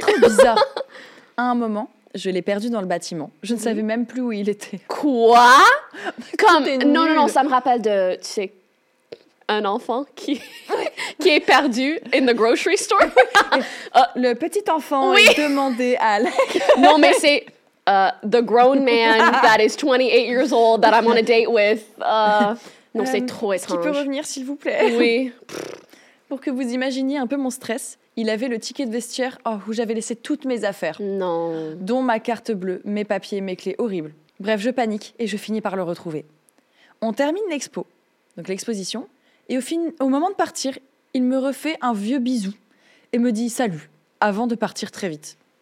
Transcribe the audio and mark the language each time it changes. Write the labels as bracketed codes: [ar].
[fr] Trop bizarre. À un moment... Je l'ai perdu dans le bâtiment. Je ne savais même plus où il était. Quoi? Comme, non, ça me rappelle de, tu sais, un enfant qui est perdu [en] in the grocery store. [fr] Le petit enfant demandé à Alec. Non, mais c'est [en] the grown man that is 28 years old that I'm on a date with. [fr] Non, c'est trop étrange. Est-ce qu'il peut revenir, s'il vous plaît? Oui. Pour que vous imaginiez un peu mon stress. Il avait le ticket de vestiaire où j'avais laissé toutes mes affaires. Non. Dont ma carte bleue, mes papiers, mes clés, horrible. Bref, je panique et je finis par le retrouver. On termine l'expo, donc l'exposition, et au moment de partir, il me refait un vieux bisou et me dit « salut » avant de partir très vite.